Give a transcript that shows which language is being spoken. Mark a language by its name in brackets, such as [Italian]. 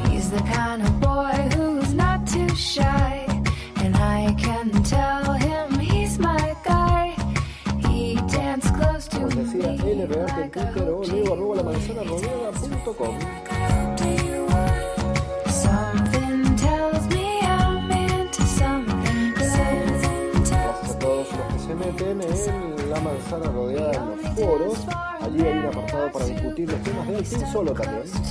[English] The kind of boy who's not too shy, and I can tell him he's my guy. He danced close to me. [Spanish] Pues decía, él es real que en Twitter o leo arroba la manzana rodeada.com. [English] Something tells me I'm into something good. [Spanish] Gracias a todos los que se meten en la manzana rodeada en los foros. Allí hay un apartado para discutir los temas de Al Fin Solo también.